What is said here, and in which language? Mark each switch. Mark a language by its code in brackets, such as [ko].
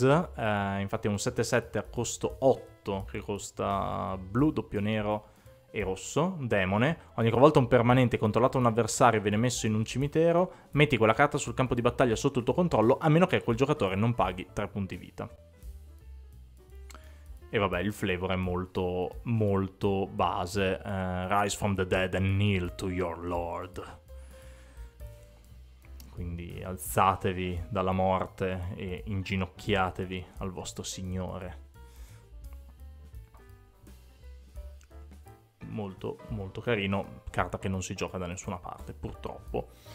[it] Infatti è un 7-7 a costo 8, che costa blu, doppio nero e rosso, demone. Ogni volta un permanente controllato un avversario viene messo in un cimitero, metti quella carta sul campo di battaglia sotto il tuo controllo, a meno che quel giocatore non paghi 3 punti vita. E vabbè, il flavor è molto, molto base. [en] Rise from the dead and kneel to your lord. [it] Quindi alzatevi dalla morte e inginocchiatevi al vostro signore. Molto molto carino, carta che non si gioca da nessuna parte, purtroppo.